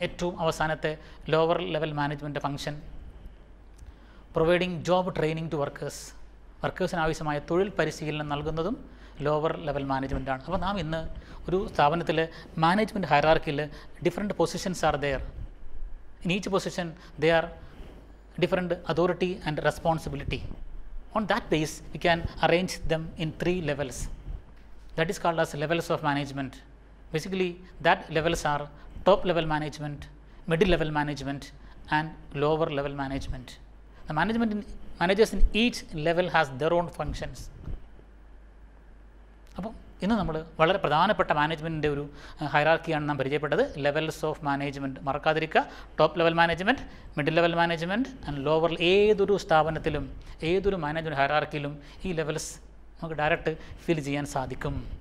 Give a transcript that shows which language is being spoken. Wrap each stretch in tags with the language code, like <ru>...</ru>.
<ml>ഏറ്റവും അവസാനത്തെ lower level management function,</ml> <en>providing job training to workers,</en> <ml>വർക്കേഴ്സിന് ആവശ്യമായ തൊഴിൽ പരിശീലനം നൽകുന്നതും ലോവർ ലെവൽ മാനേജ്മെൻറ്റാണ്. അപ്പോൾ നാം ഇന്ന് ഒരു സ്ഥാപനത്തിൽ management ഹയറാർക്കിയിൽ</ml> <en>Different positions are there, in each position they are different authority and responsibility. On that base, we can arrange them in three levels. That is called as levels of management. Basically, that levels are top level management, middle level management, and lower level management. The management in, managers in each level has their own functions.</en> <ml>അപ്പോൾ ഇന്ന് നമ്മൾ വളരെ പ്രധാനപ്പെട്ട മാനേജ്മെൻറ്റിൻ്റെ ഒരു ഹയറാർക്കിയാണ് നാം പരിചയപ്പെട്ടത്, levels of management. മറക്കാതിരിക്കുക, top level management, middle level management and lower. ഏതൊരു സ്ഥാപനത്തിലും ഏതൊരു മാനേജ്മെൻറ്റ് ഹയറാർക്കിയിലും ഈ ലെവൽസ് നമുക്ക് ഡയറക്റ്റ് ഫീൽ ചെയ്യാൻ സാധിക്കും.</ml>